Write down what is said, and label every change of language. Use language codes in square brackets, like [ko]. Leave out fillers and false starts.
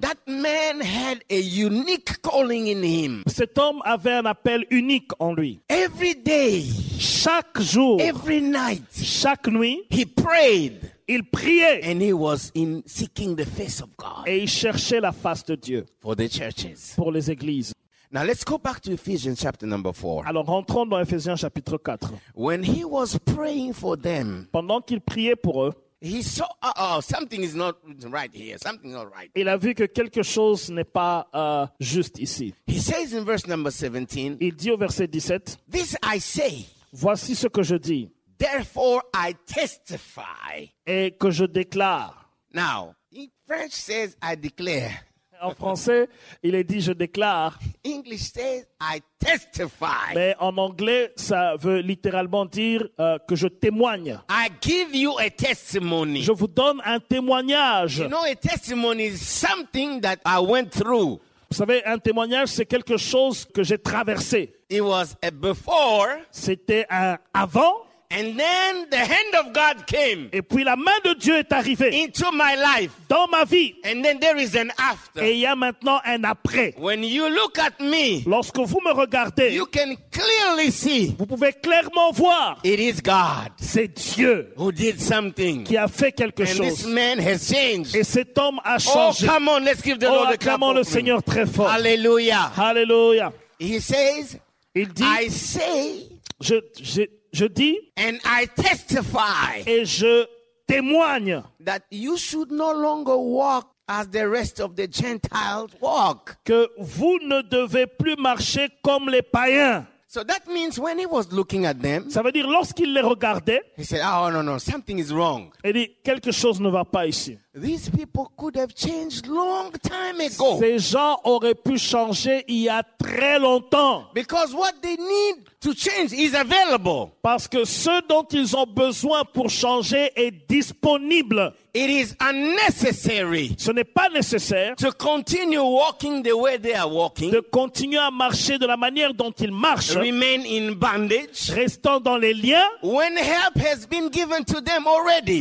[en] That man had a unique calling in him. [fr] Cet homme avait un appel unique en lui. [en] Every day, [fr] chaque jour, [en] every night, [fr] chaque nuit, [en] he prayed. [fr] Il priait. [en] And he was in seeking the face of God. [fr] Et il cherchait la face de Dieu. [en] For the churches. [fr] Pour les églises. [en] Now let's go back to Ephesians chapter number 4. [fr] Alors rentrons dans Ephésiens chapitre 4. [en] When he was praying for them. [fr] Pendant qu'il priait pour eux. [en] He saw, something is not right here. Something is not right. [fr] Il a vu que quelque chose n'est pas juste ici. [en] He says in verse number 17. [fr] Il dit au verset 17. [en] This I say. [fr] Voici ce que je dis. [en] Therefore, I testify. [fr] Et que je déclare. [en] Now, in French says, [fr] I declare. En français, il est dit je déclare. [en] English says, I testify. [fr] Mais en anglais, ça veut littéralement dire que je témoigne. [en] I give you a testimony. [fr] Je vous donne un témoignage. [en] You know, a testimony is something that I went through. [fr] Vous savez, un témoignage, c'est quelque chose que j'ai traversé. [en] It was a before. [fr] C'était un avant. [en] And then the hand of God came. [fr] Et puis la main de Dieu est arrivée. [en] Into my life. [fr] Dans ma vie. [en] And then there is an after. [fr] Et il y a maintenant un après. [en] When you look at me. [fr] Lorsque vous me regardez. [en] You can clearly see. [fr] Vous pouvez clairement voir. [en] It is God. [fr] C'est Dieu. [en] Who did something. [fr] Qui a fait quelque [en] and [fr] chose. [en] And this man has changed. [fr] Et cet homme a changé. [en] Oh, come on, let's give the Lord a clap. [fr] Oh, acclamons le Seigneur très fort. Hallelujah. Hallelujah. [en] He says. [fr] Il dit. [en] I say. [fr] Je dis [en] and I testify [fr] et je témoigne [en] that you should no longer walk as the rest of the Gentiles walk. [fr] Que vous ne devez plus marcher comme les païens. [en] So that means when he was looking at them, [fr] ça veut dire lorsqu'il les regardait, [en] he said, oh no, no, something is wrong. [fr] Il dit, quelque chose ne va pas ici. [en] These people could have changed long time ago. [fr] Ces gens auraient pu changer il y a très longtemps. [en] Because what they need to change is available. [fr] Parce que ce dont ils ont besoin pour changer est disponible. [en] It is unnecessary. [fr] Ce n'est pas nécessaire. [en] To continue walking the way they are walking. [fr] De continuer à marcher de la manière dont ils marchent. [en] Remain in bandage. [fr] Restant dans les liens. [en] When help has been given to them already.